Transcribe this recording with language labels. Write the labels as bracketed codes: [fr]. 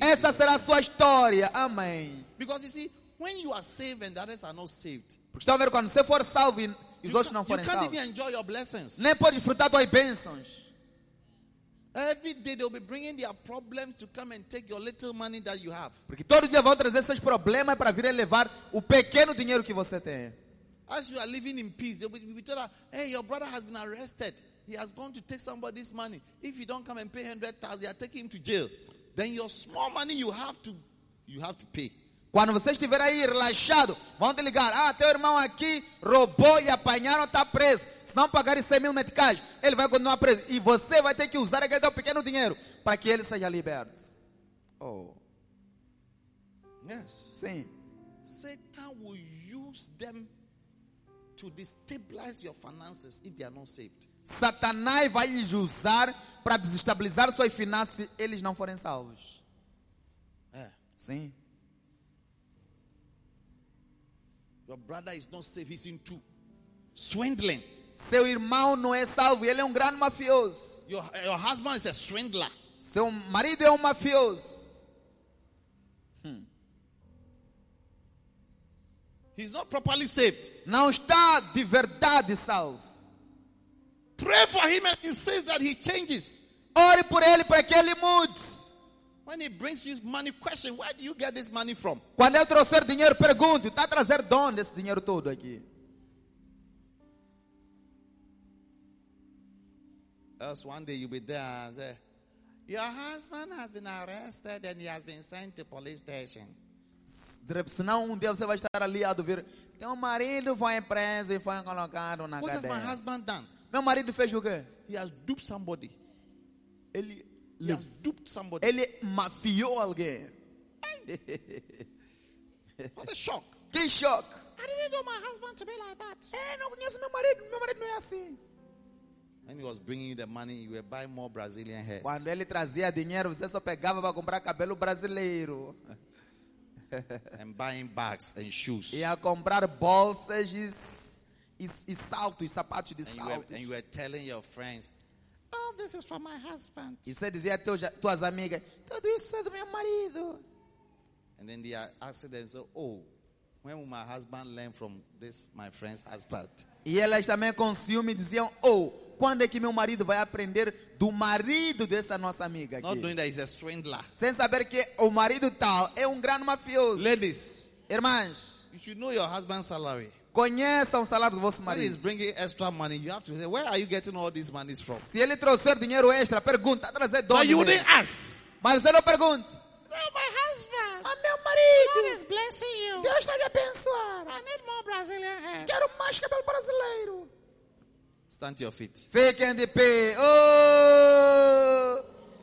[pt] Essa será a sua história. Amém. [en] Because you see, when you are saved and others are not saved. [pt] Porque estão vendo, quando você for salvo, [en] You can't even enjoy your blessings. [pt] Nem pode desfrutar tuas bênçãos. [en] Every day they'll be bringing their problems to come and take your little money that you have. [pt] Porque todo dia vão trazer seus problemas para vir levar o pequeno dinheiro que você tem. [en] As you are living in peace, they'll be told, "Hey, your brother has been arrested. He has gone to take somebody's money. If you don't come and pay 100,000, they are taking him to jail." Then your small money you have to pay. [pt] Quando você estiver aí relaxado, vão te ligar. Ah, teu irmão aqui roubou e apanharam, está preso. Se não pagarem 100 mil meticais, ele vai continuar preso. E você vai ter que usar aquele teu pequeno dinheiro para que ele seja liberto. [en] Oh. Yes. [pt] Sim. [en] Satan will use them to destabilize your finances if they are not saved. [pt] Satanás vai lhes usar para desestabilizar suas finanças se eles não forem salvos. É. Sim. [en] Your brother is not safe, he's into swindling. [pt] Seu irmão não é salvo, ele é grande mafioso. [en] Your husband is a swindler. [pt] Seu marido é mafioso. [en] He's not properly saved. [pt] Não está de verdade salvo. [en] Pray for him and insist that he changes. [pt] Ore por ele para que ele mude. [en] When he brings you money, question, where do you get this money from? [pt] Quando ele trouxer dinheiro, pergunte, está trazer de onde esse dinheiro todo aqui? [en] Else one day you'll be there and say, your husband has been arrested and he has been sent to police station. [pt] Senão um dia você vai estar ali a ouvir, teu marido foi preso e foi colocado na cadeia. [en] What has my husband done? [pt] Meu marido fez o quê? [en] He has duped somebody. [pt] Ele [en] has duped somebody. [pt] Ele mafiou alguém. [en] What a shock. [pt] Que choque. [en] I didn't know my husband to be like that. [pt] Não conheço meu marido não é assim. [en] When he was bringing you the money, you were buying more Brazilian hair. [pt] Quando ele trazia dinheiro, você só pegava para comprar cabelo brasileiro. [en] And buying bags and shoes. [pt] E a comprar bolsas e salto, e sapatos de salto. [en] And you were telling your friends, all this is for my husband. [pt] E você dizia a tuas amigas, tudo isso é do meu marido. [en] And then they asked them, so, oh, when will my husband learn from this, my friend's husband? [pt] E elas também com ciúme diziam, oh, quando é que meu marido vai aprender do marido dessa nossa amiga aqui? [en] Not doing that, he's a swindler. [pt] Sem saber que o marido tal é um grande mafioso. [en] Ladies, [pt] irmãs, [en] you should know your husband's salary. [pt] Conheça o salário do vosso marido. [en] When he's bringing extra money, you have to say, where are you getting all this money from? [pt] Se ele trouxer dinheiro extra, pergunta, está trazendo dinheiro. [en] But you didn't ask. [pt] Mas você não pergunta. [en] My husband. [pt] Oh, meu marido. [en] God is blessing you. [pt] Deus está te abençoar. [en] I need more Brazilian hair. [pt] Quero mais cabelo brasileiro. [en] Stand to your feet. [pt] Fiquem de pé. Oh!